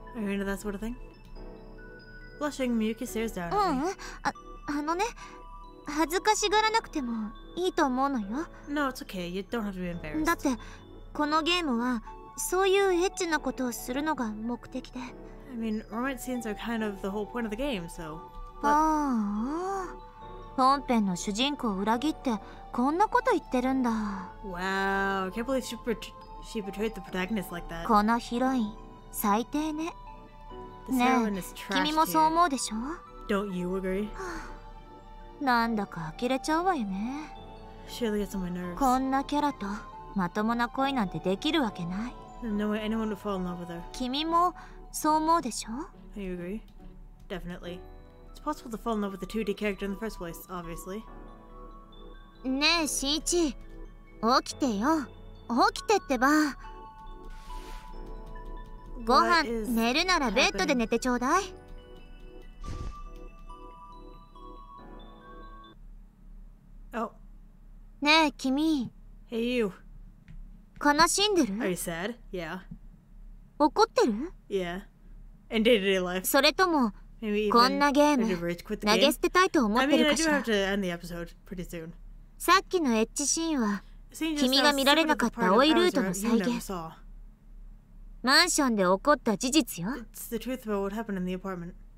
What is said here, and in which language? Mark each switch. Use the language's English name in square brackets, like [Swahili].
[English] Are you into that sort of thing? Blushing, Miyuki stares down at me. [Japanese] あのね、恥ずかしがらなくてもいいと思うのよ。 [English] No, it's okay. You don't have to be embarrassed. [Japanese] だってこのゲームはそういうエッチなことをするのが目的で。 [English] I mean, romance scenes are kind of the whole point of the game, so... [Japanese] ああ、本編の主人公を裏切ってこんなこと言ってるんだ。 [English] Wow, I can't believe she betrayed the protagonist like that. [Japanese] このヒロイン、最低ね。ねえ、君もそう思うでしょ? [English] Don't you agree? [Japanese] なんだか呆れちゃうわよね。 [English] She really gets on my nerves. [Japanese] こんなキャラとまともな恋なんてできるわけない。 [English] No way anyone would fall in love with her. [Japanese] 君もそう思うでしょ? [English] I agree. Definitely. It's possible to fall in love with the 2D character in the first place, obviously. [Japanese] ねえ、しんいち。起きてよ。起きてってば。ご飯、寝るならベッドで寝てちょうだい。ねえ、君。 [English] Hey, you. [Japanese] 悲しんでる? [English] Are you sad? Yeah. [Japanese] 怒ってる? [English] Yeah. In day-to-day life. [Japanese] それとも、こんなゲーム、投げ捨てたいと思ってるかしら? [English] I mean, I do have to end the episode pretty soon. [Japanese] さっきのエッチシーンは君が見られなかった青いルートの再現。マンションで起こった事実よ。 [English] It's the truth about what happened in the apartment.